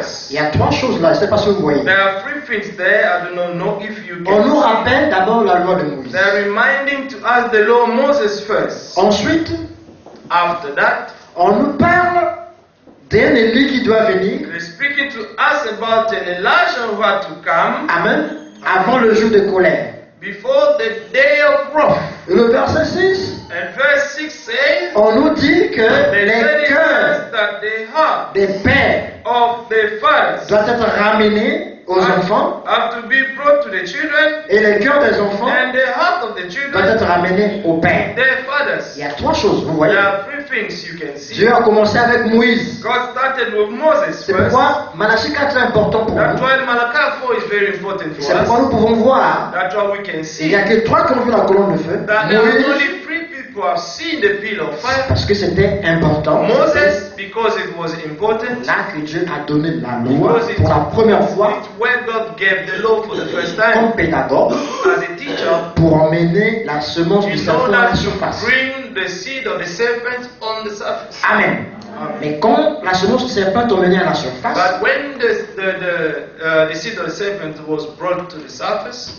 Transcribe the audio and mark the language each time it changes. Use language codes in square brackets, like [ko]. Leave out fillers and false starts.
[fr] Il y a trois choses là, je ne sais pas si vous voyez. [en] There are three things there. I do not know if you [fr] On nous rappelle d'abord la loi de Moïse. [en] They are reminding to us the law of Moses first. [fr] Ensuite, [en] after that, [fr] on nous parle d'un Élie qui doit venir. [en] Speaking to us about an Elijah who had to come. [fr] Amen. Avant le jour de colère. [en] Before the day of wrath. [fr] Le verset 6. [en] And verse 6 says. [fr] On nous dit que les cœurs des pères [en] of the fathers [fr] doivent être ramenés aux enfants. [en] Have to be brought to the children. [fr] Et les cœurs des enfants [en] and the heart of the children [fr] doivent être ramenés aux pères. [en] Their fathers. [fr] Il y a trois choses, vous voyez. [en] You can see. [fr] Dieu a commencé avec Moïse. [en] God started with Moses [fr] first. C'est pourquoi Malachi 4 est important pour [en] That's [fr] nous. [en] Why Malachi 4 is very important for [fr] C'est [en] us. [fr] Pourquoi nous pouvons voir. [en] That's what we can see. [fr] Il n'y a que trois qui ont vu la colonne de feu. Moïse. [en] Only three people have seen the pillar of fire. [fr] Parce que c'était important. [en] Moses, because it was important. [fr] Là que Dieu a donné la loi pour la première fois. [en] It's where God gave the law for the first time. [fr] Comme pédagogue. [en] As a teacher. [fr] Pour emmener la semence du serpent à la surface. [en] The seed of the serpent on the surface. [fr] Amen. [en] Amen. [fr] Mais quand la semence du serpent est emmenée à la surface, [en] but when the seed of the serpent was brought to the surface,